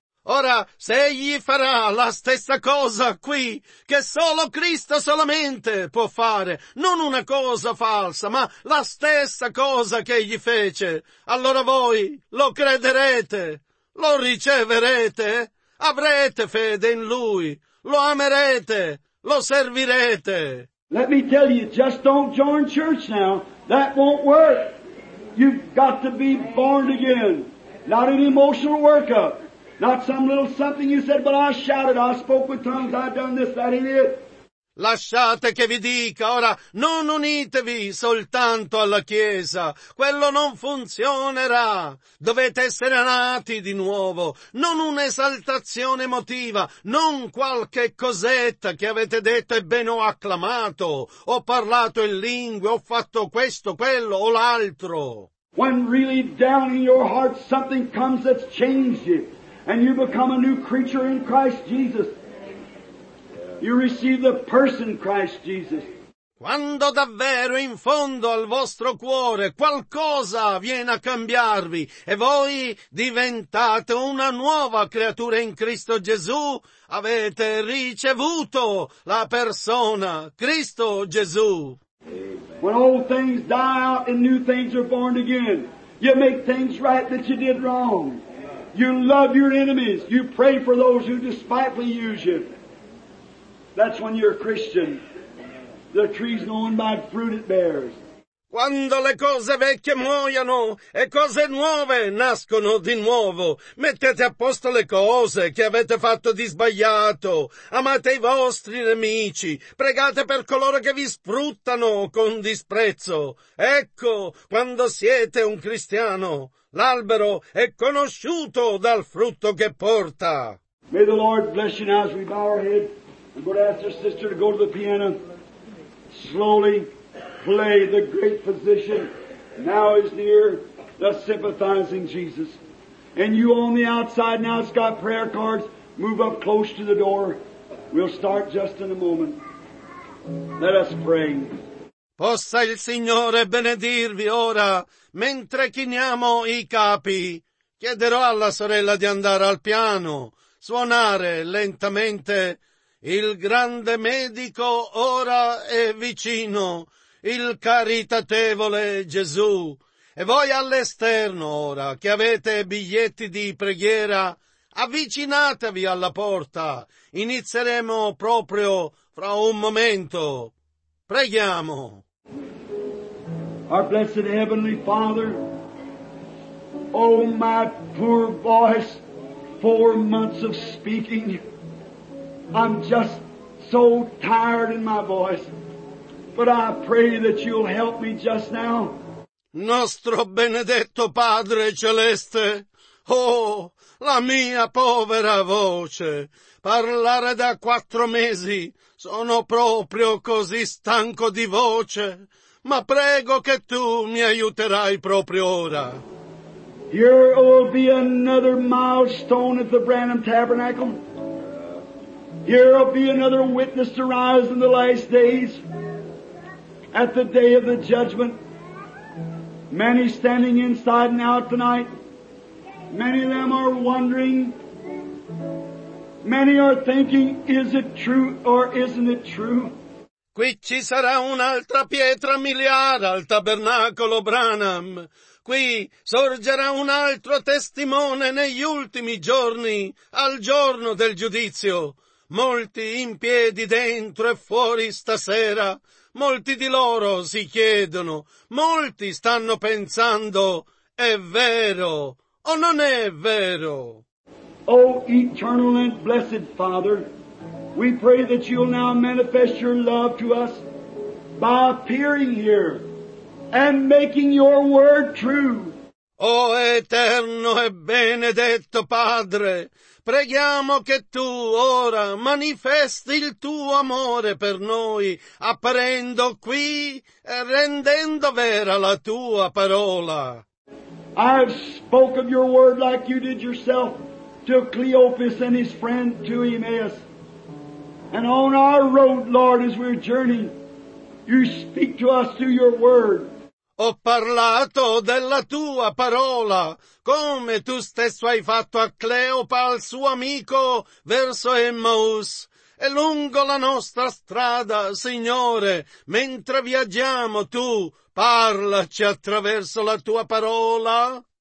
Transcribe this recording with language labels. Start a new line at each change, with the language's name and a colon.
Italian: Ora, se egli farà la stessa cosa qui, che solo Cristo solamente può fare, non una cosa falsa, ma la stessa cosa che egli fece, allora voi lo crederete, lo riceverete, avrete fede in lui, lo amerete, lo servirete.
English: Let me tell you, just don't join church now. That won't work. You've got to be born again. Not an emotional workup. Not some little something you said, but I shouted, I spoke with tongues, I done this, that ain't it.
Italian: Lasciate che vi dica, ora non unitevi soltanto alla Chiesa, quello non funzionerà. Dovete essere nati di nuovo, non un'esaltazione emotiva, non qualche cosetta che avete detto e bene ho acclamato, ho parlato in lingue, ho fatto questo, quello o l'altro.
English: When really down in your heart something comes that's changed you, and you become a new creature in Christ Jesus. You receive the person Christ Jesus.
Italian: Quando davvero in fondo al vostro cuore qualcosa viene a cambiarvi e voi diventate una nuova creatura in Cristo Gesù, avete ricevuto la persona Cristo Gesù.
English: When old things die out and new things are born again, you make things right that you did wrong. You love your enemies. You pray for those who despitefully use you. That's when you're a Christian. The tree's known by fruit it bears.
Italian: Quando le cose vecchie muoiono e cose nuove nascono di nuovo, mettete a posto le cose che avete fatto di sbagliato, amate i vostri nemici, pregate per coloro che vi sfruttano con disprezzo. Ecco, quando siete un cristiano, l'albero è conosciuto dal frutto che porta.
English: May the Lord bless you now as we bow our head. I'm going to ask your sister to go to the piano. Slowly play the great physician. Now is near the sympathizing Jesus. And you on the outside now, it's got prayer cards. Move up close to the door. We'll start just in a moment. Let us pray.
Italian: Possa il Signore benedirvi ora, mentre chiniamo i capi. Chiederò alla sorella di andare al piano, suonare lentamente. Il grande medico ora è vicino, il caritatevole Gesù. E voi all'esterno ora, che avete biglietti di preghiera, avvicinatevi alla porta. Inizieremo proprio fra un momento. Preghiamo.
English: Our blessed heavenly Father, oh my poor voice, 4 months of speaking. I'm just so tired in my voice, but I pray that you'll help me just now.
Italian: Nostro benedetto Padre Celeste, oh, la mia povera voce, parlare da 4 mesi, sono proprio così stanco di voce, ma prego che tu mi aiuterai proprio ora.
English: Here will be another milestone at the Branham Tabernacle. Here will be another witness to rise in the last days at the day of the judgment. Many standing inside and out tonight. Many of them are wondering. Many are thinking, is it true or isn't it true?
Italian: Qui ci sarà un'altra pietra miliare al tabernacolo Branham. Qui sorgerà un altro testimone negli ultimi giorni, al giorno del giudizio. Molti in piedi dentro e fuori stasera, molti di loro si chiedono, molti stanno pensando, è vero o non è vero?
English: O eternal and blessed Father, we pray that you'll now manifest your love to us by appearing here and making your word true.
Italian: O eterno e benedetto Padre, preghiamo che tu ora manifesti il tuo amore per noi, apparendo qui e rendendo vera la tua parola.
English: I've spoken your word like you did yourself to Cleophas and his friend to Emmaus. And on our road, Lord, as we're journeying, you speak to us through your word.
Italian: Ho parlato della tua parola, come tu stesso hai fatto a Cleopa, al suo amico, verso Emmaus. E lungo la nostra strada, Signore, mentre viaggiamo, tu parlaci attraverso la tua parola.